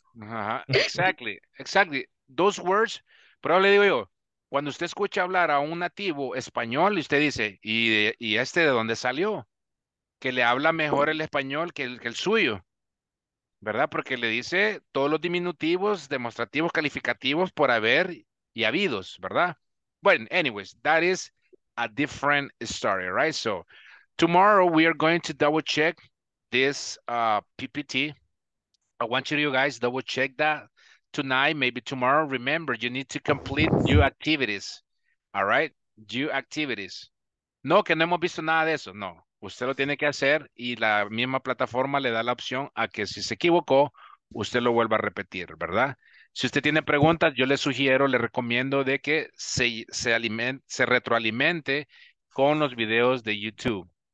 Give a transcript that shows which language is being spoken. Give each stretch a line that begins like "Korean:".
Spanish: Ajá.
English: Exactly. Exactly. Those words,
Spanish: pero le digo yo, cuando usted escucha hablar a un nativo español, usted dice, ¿y este de dónde salió? Que le habla mejor el español que el suyo, ¿verdad? Porque le dice todos los diminutivos, demostrativos, calificativos por haber y habidos, ¿verdad?
English: Bueno, anyways, that is a different story, right? So, tomorrow we are going to double check this PPT. I want you guys to double check that tonight, maybe tomorrow. Remember, you need to complete new activities, all right? New activities.
Spanish: No, que no hemos visto nada de eso, no. Usted lo tiene que hacer y la misma plataforma le da la opción a que si se equivocó, usted lo vuelva a repetir, ¿verdad? Si usted tiene preguntas, yo le sugiero, le recomiendo de que se retroalimente con los videos de YouTube.